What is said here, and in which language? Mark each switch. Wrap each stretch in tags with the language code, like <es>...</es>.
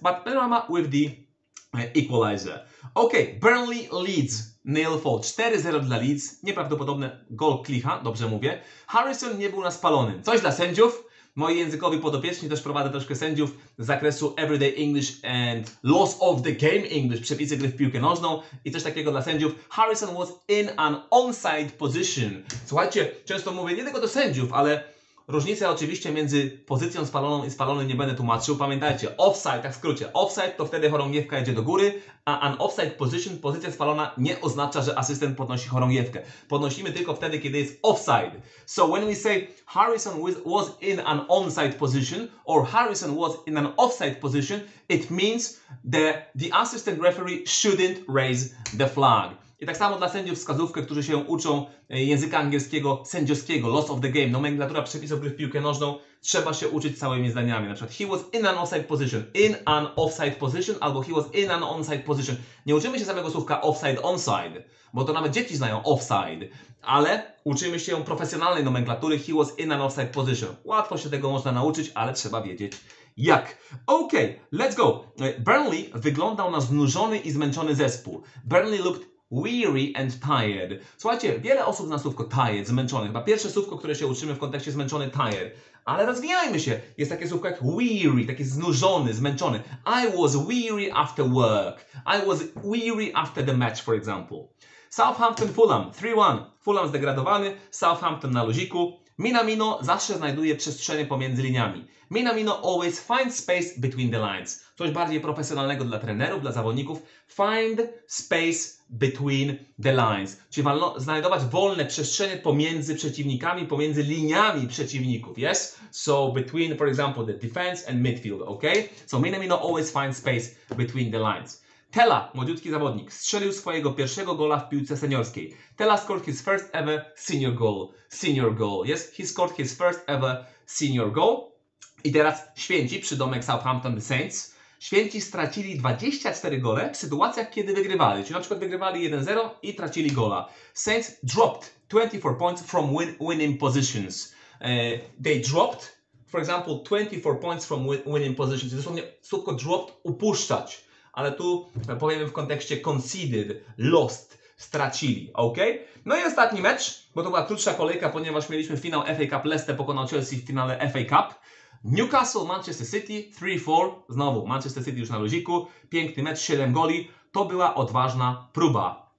<en>But Benrahma with the equalizer.</en> <pl>Ok, Burnley Leeds. 0-4. 4-0 dla Leeds. Nieprawdopodobne gol Klicha, dobrze mówię. Harrison nie był na spalonym. Coś dla sędziów. Moi językowi podopieczni też prowadzę troszkę sędziów z zakresu Everyday English and Laws of the Game English, przepisy gry w piłkę nożną i coś takiego dla sędziów.</pl> <en>Harrison was in an onside position.</en> <pl>Słuchajcie, często mówię nie tylko do sędziów, ale różnica oczywiście między pozycją spaloną i spalonym nie będę tłumaczył. Pamiętajcie, offside, tak w skrócie, offside to wtedy chorągiewka jedzie do góry, a</pl> <en>an offside position,</en> <pl>pozycja spalona, nie oznacza, że asystent podnosi chorągiewkę. Podnosimy tylko wtedy, kiedy jest offside.</pl> <en>So when we say Harrison was in an onside position or Harrison was in an offside position, it means that the assistant referee shouldn't raise the flag.</en> <pl>I tak samo dla sędziów wskazówkę, którzy się uczą języka angielskiego, sędziowskiego,</pl> <en>loss of the game,</en> <pl>nomenklatura przepisów gry w piłkę nożną, trzeba się uczyć całymi zdaniami. Na przykład</pl> <en>he was in an offside position,</en> <pl>in an offside position, albo</pl> <en>he was in an onside position.</en> <pl>Nie uczymy się samego słówka offside, onside, bo to nawet dzieci znają offside, ale uczymy się profesjonalnej nomenklatury</pl> <en>he was in an offside position.</en> <pl>Łatwo się tego można nauczyć, ale trzeba wiedzieć jak. Ok,</pl> <en>let's go.</en> <pl>Burnley wyglądał na znużony i zmęczony zespół.</pl> <en>Burnley looked weary and tired.</en> <pl>Słuchajcie, wiele osób zna słówko tired, zmęczony. Chyba pierwsze słówko, które się uczymy w kontekście zmęczony, tired. Ale rozwijajmy się. Jest takie słówko jak weary, taki znużony, zmęczony.</pl> <en>I was weary after work. I was weary after the match, for example.</en> <pl>Southampton Fulham, 3-1. Fulham zdegradowany, Southampton na luziku. Minamino zawsze znajduje przestrzenie pomiędzy liniami.</pl> <en>Minamino always finds space between the lines.</en> <pl>Coś bardziej profesjonalnego dla trenerów, dla zawodników.</pl> <en>Find space between the lines.</en> <pl>Czyli znajdować wolne przestrzenie pomiędzy przeciwnikami, pomiędzy liniami przeciwników.</pl> <en>Yes? So between, for example, the defense and midfield. Okay? So Minamino always finds space between the lines.</en> <pl>Tela, młodziutki zawodnik, strzelił swojego pierwszego gola w piłce seniorskiej.</pl> <en>Tela scored his first ever senior goal. Senior goal, yes? He scored his first ever senior goal.</en> <pl>I teraz święci, przydomek Southampton Saints. Święci stracili 24 gole w sytuacjach, kiedy wygrywali. Czyli na przykład wygrywali 1-0 i tracili gola.</pl> <en>Saints dropped 24 points from winning positions. They dropped, for example, 24 points from winning positions.</en> <pl>Dosłownie słówko dropped, upuszczać. Ale tu powiemy w kontekście conceded, lost, stracili, ok? No i ostatni mecz, bo to była krótsza kolejka, ponieważ mieliśmy finał FA Cup, Leicester pokonał Chelsea w finale FA Cup. Newcastle, Manchester City, 3-4, znowu Manchester City już na luziku, piękny mecz, 7 goli, to była odważna próba.</pl>